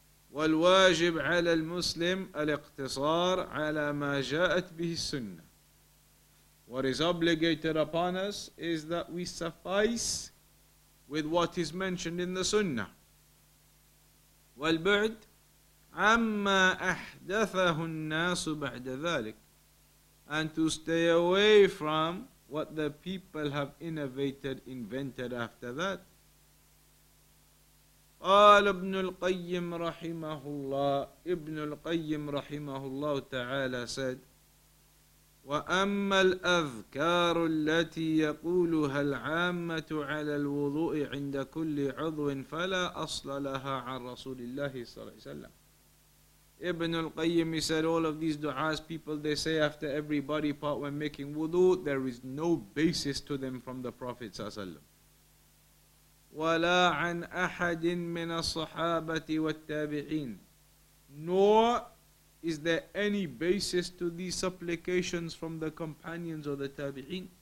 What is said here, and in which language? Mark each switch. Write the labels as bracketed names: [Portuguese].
[Arabic] والواجب على المسلم الاقتصار على ما جاءت به السنة. [English] What is obligated upon us is that we suffice with what is mentioned in the sunnah. [Arabic] والبعد عما أحدثه الناس بعد ذلك, [English] and to stay away from what the people have invented after that. [Arabic] قال ابن القيم رحمه الله, ابن القيم رحمه الله تعالى [English] said, [Arabic] وأما الأذكار التي يقولها العامة على الوضوء عند كل عضو فلا أصل لها عن رسول الله صلى الله عليه وسلم. [English] Ibn al-Qayyim, he said, all of these du'as people, they say after every body part when making wudu, there is no basis to them from the Prophet ﷺ. [Arabic] وَلَا عَنْ أَحَدٍ مِّنَ الصَّحَابَةِ وَالتَّابِعِينَ. [English] Nor is there any basis to these supplications from the companions or the tabi'een.